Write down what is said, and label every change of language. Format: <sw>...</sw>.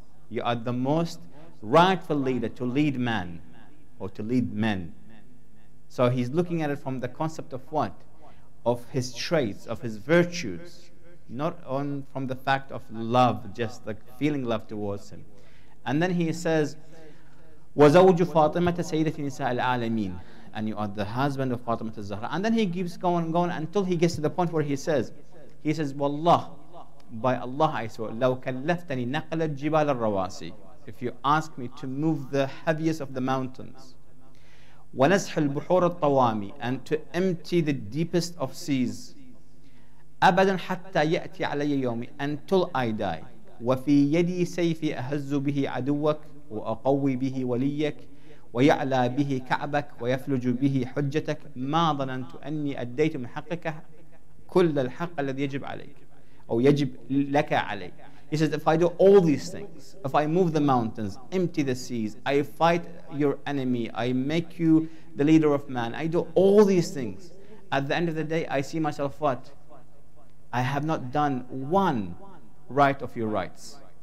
<en>You are the most rightful leader to lead man or to lead men. So he's looking at it from the concept of what? Of his traits, of his virtues, not on from the fact of love, just the feeling love towards him. And then he says,</en> <ar>وَزَوْجُ فَاطِمَةَ سَيِّدَةِ نِسَاءِ الْعَالَمِينَ.</ar> <en>and you are the husband of Fatima al-Zahra. And then he keeps going until he gets to the point where he says, Wallah, by Allah I swear,</en> <ar>لو كلفتني نقل الجبال الرواسي,</ar> <en>if you ask me to move the heaviest of the mountains,</en> <ar>ونسح البحور الطوامي,</ar> <en>and to empty the deepest of seas,</en> <ar>أبدا حتى يأتي علي يومي,</ar> <en>until I die,</en> <ar>وفي يدي سيفي أهز به عدوك وأقوي به وليك ويعلى به كعبك ويفلج به حجتك, ما ظننت أني أديت من حقك كل الحق الذي يجب عليك أو يجب لك علي.</ar> <en>He says, if I do all these things, if I move the mountains, empty the seas, I fight your enemy, I make you the leader of man, I do all these things, at the end of the day, I see myself what? I have not done one right of your rights.</en>